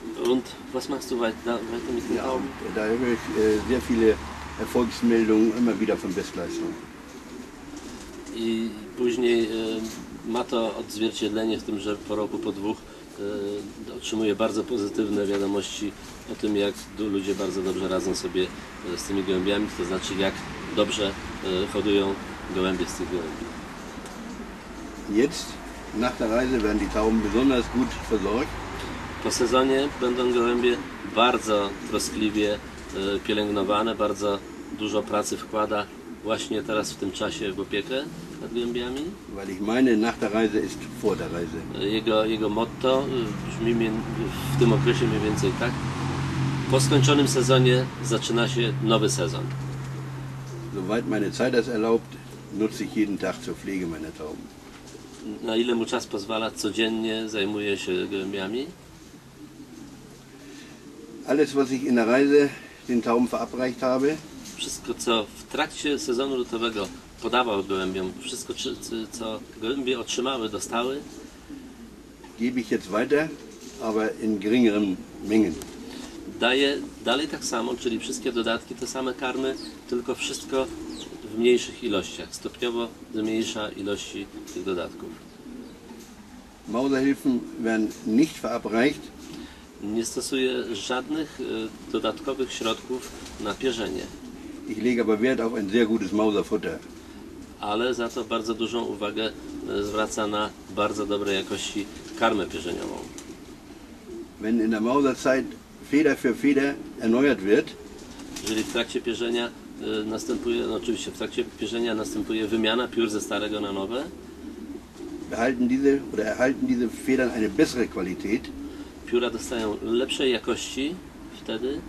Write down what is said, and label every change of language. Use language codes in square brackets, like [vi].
[de] Und was machst du weiter mit den Tauben? Da habe ich sehr viele Erfolgsmeldungen immer wieder von Bestleistung. [pl] I później ma to odzwierciedlenie w tym, że po roku, po dwóch otrzymuję bardzo pozytywne wiadomości o tym, jak ludzie bardzo dobrze radzą sobie z tymi gołębiami, to znaczy jak dobrze hodują gołębie z tych gołębi. [de] Jetzt, nach der Reise, werden die Tauben besonders gut versorgt. [pl] Po sezonie będą gołębie bardzo troskliwie pielęgnowane, bardzo dużo pracy wkłada właśnie teraz w tym czasie w opiekę zagłębiami. [de] Weil ich meine, nach der Reise ist vor der Reise. [pl] Jego motto brzmi w tym okresie mniej więcej tak. Po skończonym sezonie zaczyna się nowy sezon. [de] Soweit meine Zeit es erlaubt, nutze ich jeden Tag zur Pflege meiner Tauben. [pl] Na ile mu czas pozwala, codziennie zajmuje się gołębiami? [de] Alles, was ich in der Reise den Tauben verabreicht habe. [pl] Wszystko, co w trakcie sezonu lutowego podawał gołębiom, wszystko, co gołębie otrzymały, dostały, [de] gebe ich jetzt weiter, aber in geringeren Mengen. [pl] Daje dalej tak samo, czyli wszystkie dodatki, te same karmy, tylko wszystko w mniejszych ilościach. Stopniowo zmniejsza ilości tych dodatków. [de] Mauserhilfen werden nicht verabreicht. [pl] Nie stosuje żadnych dodatkowych środków na pierzenie. [de] Ich lege aber Wert auf ein sehr gutes Mauserfutter. [pl] Ale za to bardzo dużą uwagę zwraca na bardzo dobrej jakości karmę pierzeniową. [de] Wenn in der Mauserzeit Feder für Feder erneuert wird. [pl] Jeżeli w trakcie pierzenia następuje, no oczywiście w trakcie pierzenia następuje wymiana piór ze starego na nowe. [de] Erhalten diese Federn eine bessere Qualität. [pl] Pióra dostają lepszej jakości wtedy.